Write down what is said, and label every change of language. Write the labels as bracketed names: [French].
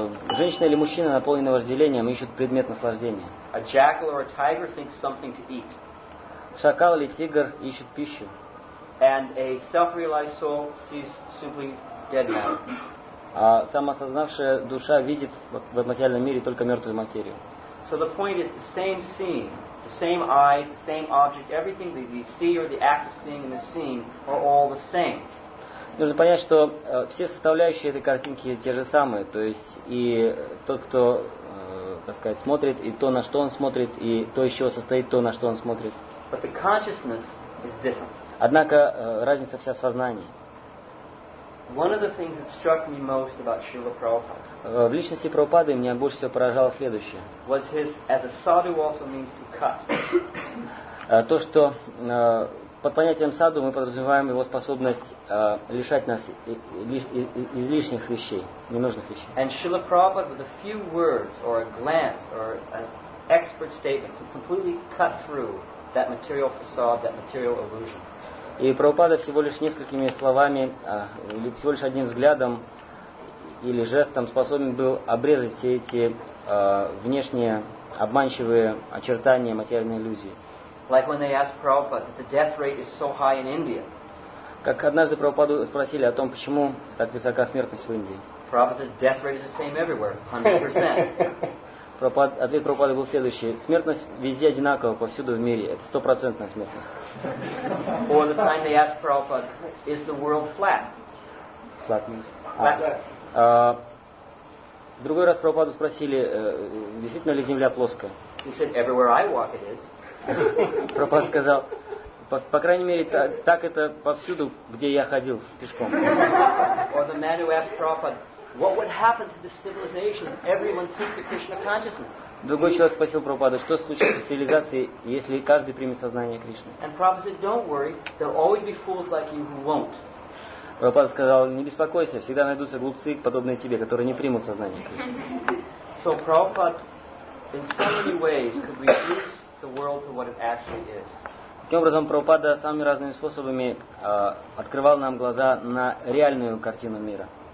[Russian] Женщина или мужчина, наполненный вожделением, ищет предмет наслаждения. [English] A jackal or a tiger thinks something to eat. [Russian] Шакал или тигр ищет пищу. [English] And a self-realized soul sees simply dead matter. [Russian] А самосознавшая душа видит в материальном мире только мертвую материю. [English] So the point is the same scene, the same eyes, the same object, everything that you see or the act of seeing and the seeing are all the same. [Russian] Нужно понять, что все составляющие этой картинки те же самые, то есть и тот, кто, так сказать, смотрит, и то, на что он смотрит, и то, из чего состоит то, на что он смотрит. [English] But the consciousness is different. [Russian] Однако разница вся в сознании. [English] One of the things that struck me most about Srila Prabhupada. [Russian] В личности Прабхупады меня больше всего поражало следующее. [English] Was his, as a sadhu also means to cut. [Russian] То, что под понятием саду мы подразумеваем его способность лишать нас излишних вещей, ненужных вещей. [English] And Srila Prabhupada with a few words or a glance or an expert statement could completely cut through that material facade, that material illusion. [Russian] И Прабхупада всего лишь несколькими словами, или всего лишь одним взглядом или жестом способен был обрезать все эти внешние обманчивые очертания материальной иллюзии. [English] Like when they asked Prabhupada that the death rate is so high in India. [Russian] Как однажды Прабхупаду спросили о том, почему так высока смертность в Индии. [English] Prabhupada says death rate is the same everywhere, 100%. [Russian] Ответ Прабхупады был следующий. Смертность везде одинакова, повсюду в мире. Это 100% смертность. [English] Or the time they asked Prabhupada, is the world flat? Flat means? Flat. [Russian] В другой раз Прабхупаду спросили, действительно ли Земля плоская? [English] He said, everywhere I walk it is. [Russian] Прабхупада сказал, по крайней мере, так это повсюду, где я ходил пешком. [English] Or the man who asked Prabhupada, what would happen to the civilization if everyone took the Krishna consciousness? [Russian] Другой человек спросил Прабхупаду, что случится с цивилизацией, если каждый примет сознание Кришны? [English] And Prabhupada said, don't worry, there'll always be fools like you who won't. [Russian] Прабхупада сказал, не беспокойся, всегда найдутся глупцы, подобные тебе, которые не примут сознание Кришны. [English] So Prabhupada, in so many ways, could reduce the world to what it actually is. [Russian] Таким образом, Прабхупада самыми разными способами открывал нам глаза на реальную картину мира.